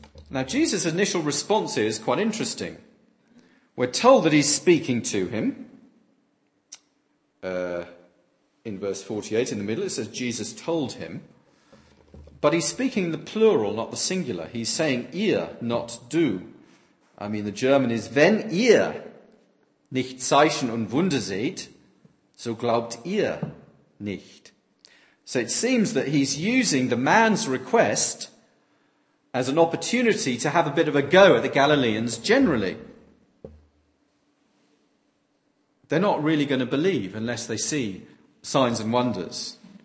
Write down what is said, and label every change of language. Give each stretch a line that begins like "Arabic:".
English: Now, Jesus' initial response is quite interesting. We're told that he's speaking to him. In verse 48, in the middle, it says, Jesus told him. But he's speaking the plural, not the singular. He's saying, ihr, not du. I mean, the German is,
German: wenn ihr nicht Zeichen und Wunder seht, so glaubt ihr nicht.
English: So it seems that he's using the man's request as an opportunity to have a bit of a go at the Galileans generally. They're not really going to believe unless they see signs and wonders.